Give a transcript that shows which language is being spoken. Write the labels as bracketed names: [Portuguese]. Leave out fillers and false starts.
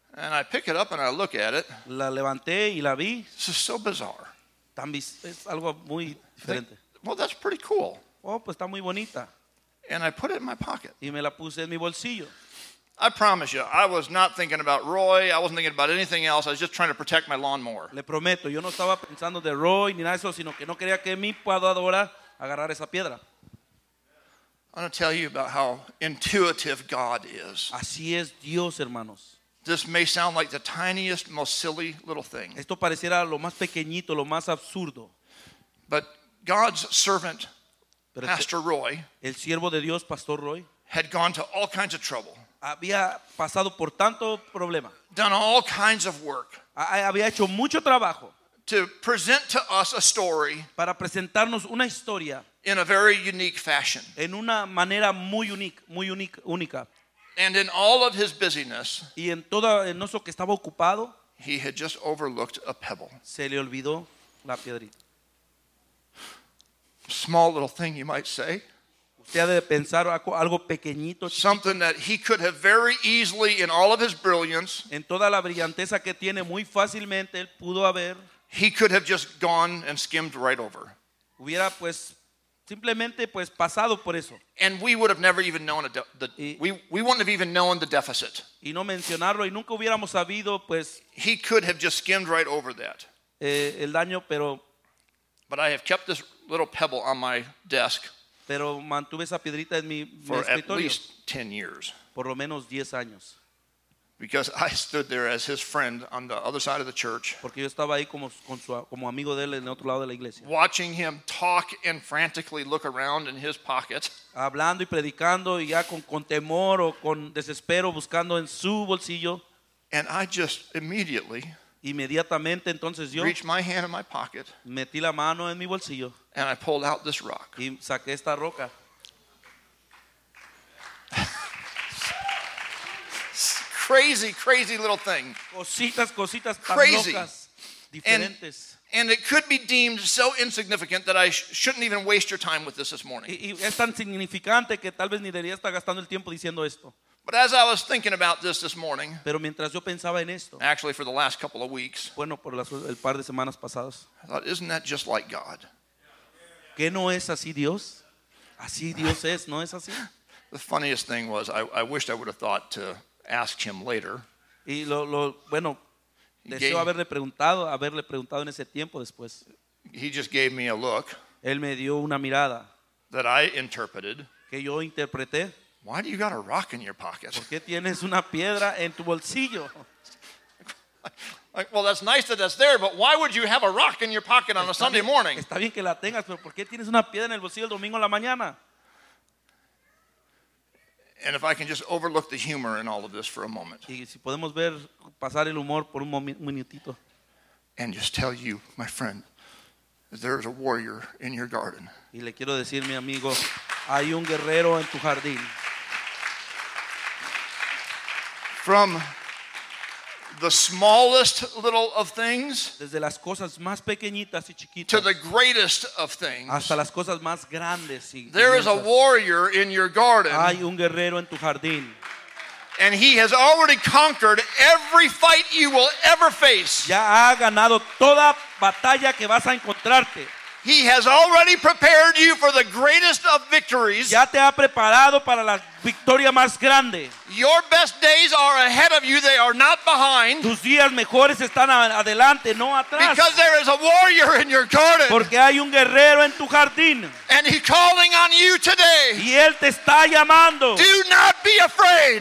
[English] And I pick it up and I look at it. [Spanish] La levanté y la vi. [English] This is so bizarre. [Spanish] Es algo muy diferente. [English] Well, that's pretty cool. [Spanish] Oh, pues está muy bonita. [English] And I put it in my pocket. [Spanish] Y me la puse en mi bolsillo. [English] I promise you, I was not thinking about Roy. I wasn't thinking about anything else. I was just trying to protect my lawnmower. [Spanish] Le prometo, yo no estaba pensando de Roy ni nada eso, sino que no quería que mi podadora agarrara esa piedra. [English] I want to tell you about how intuitive God is. [Spanish] Así es Dios, hermanos. [English] This may sound like the tiniest, most silly little thing. [Spanish] Esto pareciera lo más pequeñito, lo más absurdo. [English] But God's servant, Pastor Roy, [Spanish] el siervo de Dios, Pastor Roy, [English] had gone to all kinds of trouble. [Spanish] Había pasado por tanto problema. [English] Done all kinds of work. [Spanish] Había hecho mucho trabajo. [English] To present to us a story. [Spanish] Para presentarnos una historia. [English] In a very unique fashion. [Spanish] En una manera muy [English] unique, [Spanish] muy unique, única. [English] And in all of his busyness. [Spanish] Y en todo eso que estaba ocupado. [English] He had just overlooked a pebble. [Spanish] Se le olvidó la piedrita. [English] Small little thing, you might say. [Spanish] Usted debe pensar algo pequeñito. [English] Something that he could have very easily, in all of his brilliance. [Spanish] En toda la brillanteza que tiene, muy fácilmente él pudo haber. [English] He could have just gone and skimmed right over. [Spanish] Hubiera pues simplemente pues pasado por eso. [English] And we would have never even known we wouldn't have even known the deficit. [Spanish] Y no mencionarlo y nunca hubiéramos sabido pues. [English] He could have just skimmed right over that. [Spanish] El daño, pero. [English] But I have kept this little pebble on my desk. [Spanish] Pero mantuve esa piedrita en mi escritorio. [English] For at least 10 years. [Spanish] Por lo menos 10 años. [English] Because I stood there as his friend on the other side of the church. [Spanish] Porque yo estaba ahí como amigo de él en el otro lado de la iglesia. [English] Watching him talk and frantically look around in his pocket. [Spanish] Hablando y predicando y ya con temor o con desespero buscando en su bolsillo. [English] And I just immediately. [Spanish] Inmediatamente entonces yo. [English] Reached my hand in my pocket. [Spanish] Metí la mano en mi bolsillo. [English] And I pulled out this rock. [Spanish] Y saqué esta roca. [English] Crazy, crazy little thing. [Spanish] Cositas, cositas tan [English] crazy. [Spanish] Locas, diferentes. [English] And it could be deemed so insignificant that I shouldn't even waste your time with this morning. [Spanish] Y es tan significante que tal vez ni debería estar gastando el tiempo diciendo esto. [English] But as I was thinking about this morning, [Spanish] pero mientras yo pensaba en esto, [English] actually for the last couple of weeks, [Spanish] bueno, por el par de semanas pasadas, [English] I thought, isn't that just like God? [Spanish] ¿Qué no es así Dios? Así Dios es, ¿no es así? [English] The funniest thing was, I wished I would have thought to ask him later. [Spanish] Y lo bueno, deseo haberle preguntado en ese tiempo después. [English] He just gave me a look. [Spanish] Él me dio una mirada. [English] That I interpreted. [Spanish] Que yo interpreté. [English] Why do you got a rock in your pocket? [Spanish] ¿Por qué tienes una piedra en tu bolsillo? [English] Well, that's nice that that's there, but why would you have a rock in your pocket on a Sunday morning? [Spanish] Está bien que la tengas, pero ¿por qué tienes una piedra en el bolsillo el domingo en la mañana? [English] And if I can just overlook the humor in all of this for a moment. [Spanish] Y si podemos ver pasar el humor por un minutito. [English] And just tell you, my friend, there is a warrior in your garden. [Spanish] Y le quiero decir, mi amigo, hay un guerrero en tu jardín. [English] From the smallest little of things. [Spanish] Desde las cosas más pequeñitas y chiquitas. [English] To the greatest of things. [Spanish] Hasta las cosas más grandes. [English] There is a warrior in your garden. [Spanish] Hay un guerrero en tu jardín. [English] And he has already conquered every fight you will ever face. [Spanish] Ya ha ganado toda batalla que vas a encontrarte. [English] He has already prepared you for the greatest of victories. [Spanish] Ya te ha preparado para la victoria más grande. [English] Your best days are ahead of you, they are not behind. [Spanish] Tus días mejores están adelante, no atrás. [English] Because there is a warrior in your garden. [Spanish] Porque hay un guerrero en tu jardín. [English] And he's calling on you today. [Spanish] Y él te está llamando. [English] Do not be afraid.